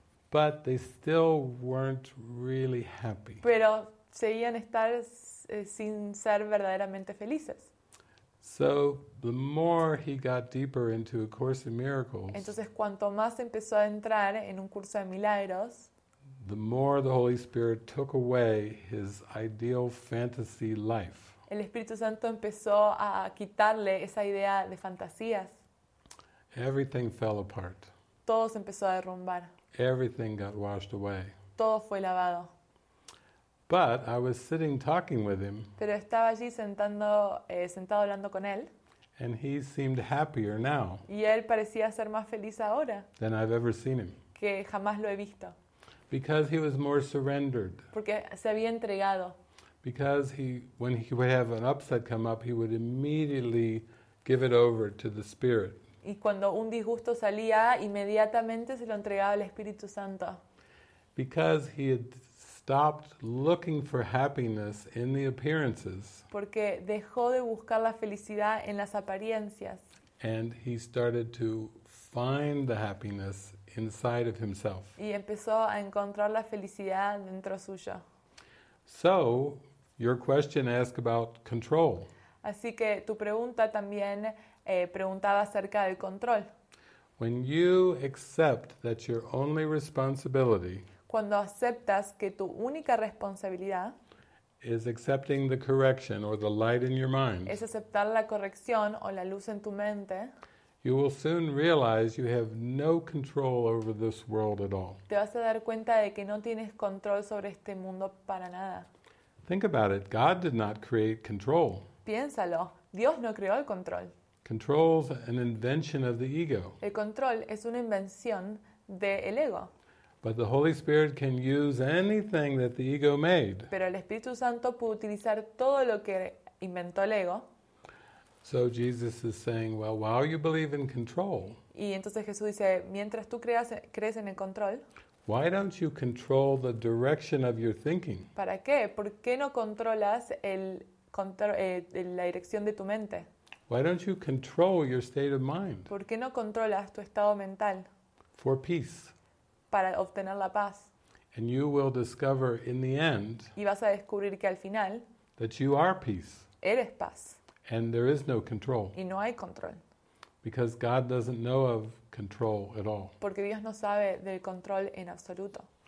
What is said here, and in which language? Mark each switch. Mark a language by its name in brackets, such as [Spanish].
[English] But they still weren't really happy. [Spanish] Pero seguían estar sin ser verdaderamente felices. [English] So the more he got deeper into A Course in Miracles, [Spanish] entonces cuanto más empezó a entrar en un curso de milagros, [English] the more the Holy Spirit took away his ideal fantasy life. [Spanish] El Espíritu Santo empezó a quitarle esa idea de fantasías. [English] Everything fell apart. [Spanish] Todo se empezó a derrumbar. [English] Everything got washed away. [Spanish] Todo fue lavado. [English] But I was sitting talking with him. [Spanish] Pero estaba allí sentado hablando con él. [English] And he seemed happier now. [Spanish] Y él parecía ser más feliz ahora. [English] Than I've ever seen him. [Spanish] Que jamás lo he visto. [English] Because he was more surrendered. [Spanish] Porque se había entregado. [English] Because when he would have an upset come up, he would immediately give it over to the Spirit. [Spanish] Y cuando un disgusto salía, inmediatamente se lo entregaba al Espíritu Santo. [English] Because he had stopped looking for happiness in the appearances. [Spanish] Porque dejó de buscar la felicidad en las apariencias. [English] And he started to find the happiness inside of himself. [Spanish] Y empezó a encontrar la felicidad dentro suyo. [English] So, your question asked about control. [Spanish] Así que tu pregunta también preguntaba acerca del control. [English] When you accept that your only responsibility, [Spanish] cuando aceptas que tu única responsabilidad, [English] is accepting the correction or the light in your mind, [Spanish] es aceptar la corrección o la luz en tu mente, [English] you will soon realize you have no control over this world at all. [Spanish] Te vas a dar cuenta de que no tienes control sobre este mundo para nada. [English] Think about it. God did not create control. [Spanish] Piénsalo. Dios no creó el control. [English] Control is an invention of the ego. [Spanish] El control es una invención del ego. [English] But the Holy Spirit can use anything that the ego made. [Spanish] Pero el Espíritu Santo puede utilizar todo lo que inventó el ego. [English] So Jesus is saying, well, while you believe in control, [Spanish] y entonces Jesús dice, mientras tú crees en el control, [English] why don't you control the direction of your thinking? [Spanish] ¿Para qué? ¿Por qué no controlas la dirección de tu mente? [English] Why don't you control your state of mind? [Spanish] ¿Por qué no controlas tu estado mental? [English] For peace. [Spanish] Para obtener la paz. [English] And you will discover in the end, [Spanish] y vas a descubrir que al final, [English] that you are peace. [Spanish] Eres paz. [English] And there is no control. [Spanish] Y no hay control. [English] Because God doesn't know of control at all. [Spanish] Porque Dios no sabe del control en absoluto.